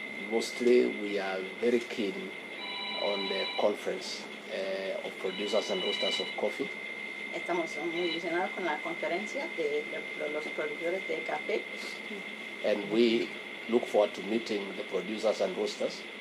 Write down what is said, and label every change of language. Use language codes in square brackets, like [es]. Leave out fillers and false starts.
[en] Mostly we are very keen on the conference of producers and roasters of coffee. [es] Estamos muy ilusionados con la conferencia de los productores de café. [en] And we look forward to meeting the producers and roasters.